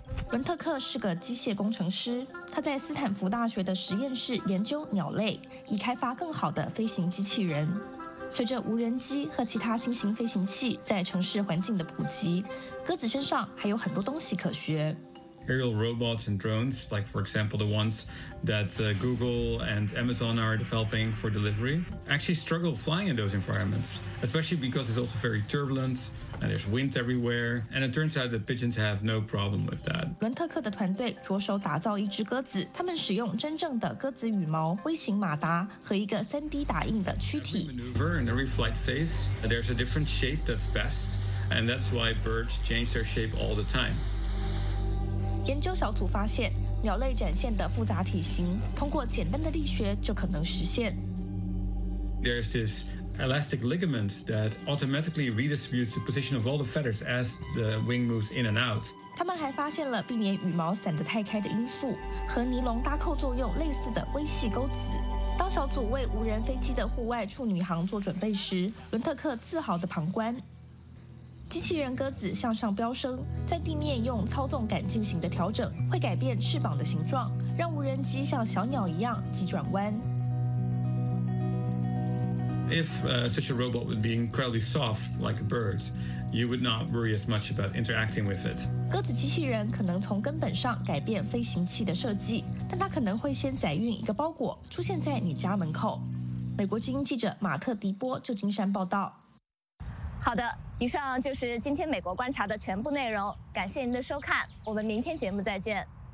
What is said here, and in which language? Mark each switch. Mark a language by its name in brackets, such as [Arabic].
[Chinese] 伦特克是个机械工程师，他在斯坦福大学的实验室研究鸟类，以开发更好的飞行机器人。随着无人机和其他新型飞行器在城市环境的普及，鸽子身上还有很多东西可学。 [English] Aerial robots and drones, like for example the ones that Google and Amazon are developing for delivery, actually struggle flying in those environments, especially because it's also very turbulent and there's wind everywhere. And it turns out that pigeons have no problem with that. [Chinese] 伦特克的团队着手打造一只鸽子，他们使用真正的鸽子羽毛、微型马达和一个 3D 打印的躯体。 [English] Every maneuver and every flight phase, there's a different shape that's best, and that's why birds change their shape all the time. [Chinese] 研究小组发现，鸟类展现的复杂体型，通过简单的力学就可能实现。 [English] There's this elastic ligament that automatically redistributes the position of all the feathers as the wing moves in and out. [Chinese] 他们还发现了避免羽毛散得太开的因素，和尼龙搭扣作用类似的微细钩子。当小组为无人飞机的户外处女航做准备时，伦特克自豪地旁观。机器人鸽子向上飙升，在地面用操纵杆进行的调整会改变翅膀的形状，让无人机像小鸟一样急转弯。 [English] If such a robot would be incredibly soft like a bird, you would not worry as much about interacting with it. [Chinese] 鸽子机器人可能从根本上改变飞行器的设计，但它可能会先载运一个包裹出现在你家门口。美国之音记者马特·迪波，旧金山报道。好的，以上就是今天美国观察的全部内容，感谢您的收看，我们明天节目再见。